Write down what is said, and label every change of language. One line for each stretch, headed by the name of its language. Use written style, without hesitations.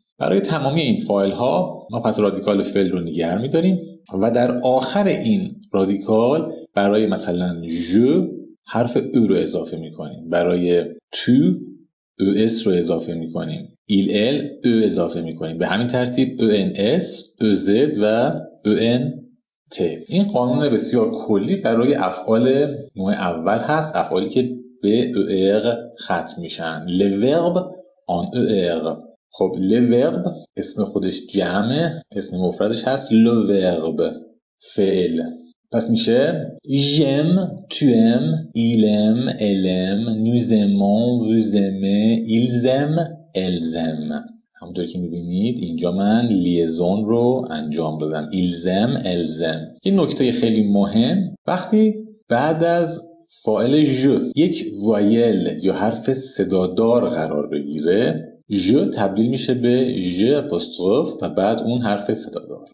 Persian: برای تمامی این فایل ها ما پس رادیکال فعل رو نگه می‌داریم و در آخر این رادیکال برای مثلا ژو حرف او رو اضافه می‌کنیم، برای تو او اس رو اضافه می‌کنیم، ایل ال او اضافه می‌کنیم، به همین ترتیب او ان اس، او زد و او ان ت. این قانون بسیار کلی برای افعال نوع اول هست، افعالی که به ار ختم میشن،
French: le verbe en ER.
Persian: خب le verbe اسم خودش جمعه، اسم مفردش هست le verbe فعل، پس میشه
French: j'aime, tu aimes, il aime, elle aime, nous aimons, vous aimez, ils aiment, elles aiment.
Persian: همونطور که میبینید اینجا من لیزون رو انجام دادم، ایلزم الزم. یه نکته خیلی مهم، وقتی بعد از فاعل ژو یک وایل یا حرف صدادار قرار بگیره، ژو تبدیل میشه به ژو اپوستروف و بعد اون حرف صدادار.